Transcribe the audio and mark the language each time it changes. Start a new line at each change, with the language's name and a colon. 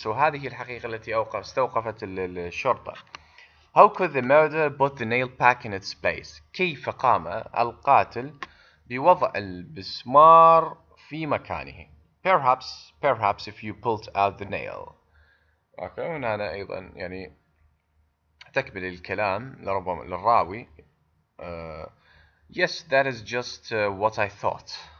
Arabic: So هذه الحقيقة التي استوقفت الشرطة.
English: How could the murderer put the nail back in its place?
Arabic: كيف قام القاتل بوضع البسمار في مكانه.
English: Perhaps if you pulled out the nail. Okay,
Arabic: هنا أنا أيضا يعني تكمل الكلام لربما للراوي.
English: Yes, that is just what I thought.